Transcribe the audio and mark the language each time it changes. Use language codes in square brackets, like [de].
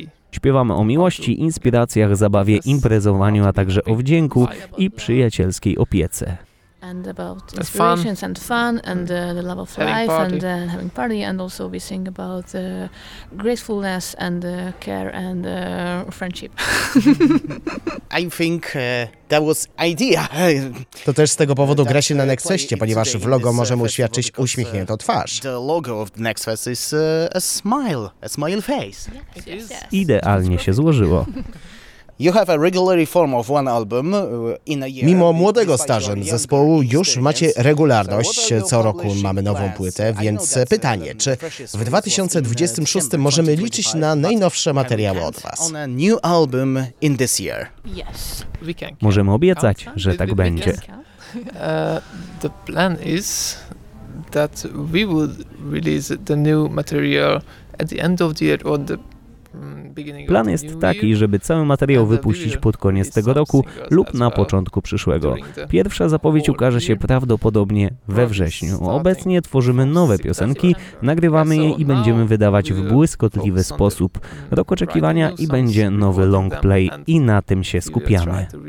[pl] Śpiewamy o miłości, inspiracjach, zabawie, imprezowaniu, a także o wdzięku i przyjacielskiej opiece. [en] And about inspirations and fun and the love of life and having party and also we sing about gratefulness and care and friendship. I think that was idea. [pl] To też z tego powodu gra się na Next Festie, ponieważ w logo możemy uświadczyć uśmiechniętą twarz. [en] The logo of the Next Fest is a smile face. Yes, yes. [pl] Idealnie się złożyło. [en] You have a regular form of one album in a year. [pl] Mimo młodego stażu zespołu już macie regularność, co roku mamy nową płytę, więc pytanie, czy w 2026 możemy liczyć na najnowsze materiały od was? [en] New album in this year. Yes, we can. [pl] Możemy obiecać, że tak będzie. [en] The plan is that we would release the new material at the end of the year or the [pl] Plan jest taki, żeby cały materiał wypuścić pod koniec tego roku lub na początku przyszłego. Pierwsza zapowiedź ukaże się prawdopodobnie we wrześniu. Obecnie tworzymy nowe piosenki, nagrywamy je i będziemy wydawać w błyskotliwy sposób. Rok oczekiwania i będzie nowy long play i na tym się skupiamy.